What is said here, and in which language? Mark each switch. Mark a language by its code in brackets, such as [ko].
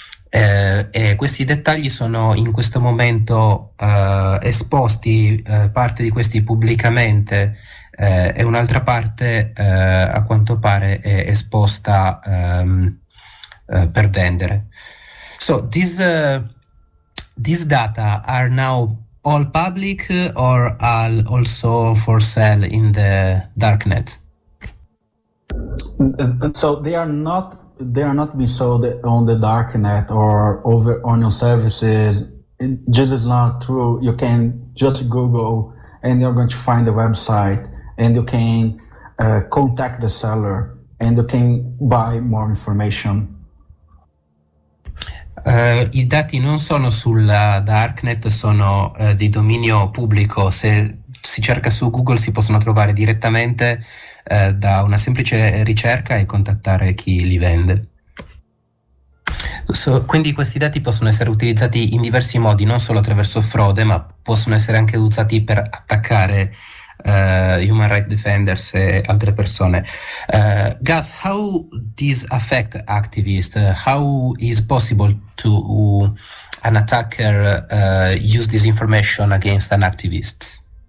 [it] e questi dettagli sono in questo momento esposti, parte di questi pubblicamente, e un'altra parte a quanto pare è esposta per vendere. [en] So these data are now all public or are also for sale in the darknet? So they are not being sold on the darknet or over on your services. This is not true. You can just Google and you're going to find the website, and you can contact the seller and you can buy more information. [it] I dati non sono sulla darknet, sono di dominio pubblico. Se si cerca su Google si possono trovare direttamente da una semplice ricerca e contattare chi li vende. So, quindi questi dati possono essere utilizzati in diversi modi, non solo attraverso frode, ma possono essere anche usati per attaccare [en] human rights defenders [it] e altre persone. [en] Gus, how this affect activists? How is possible to an attacker use this information against an activist?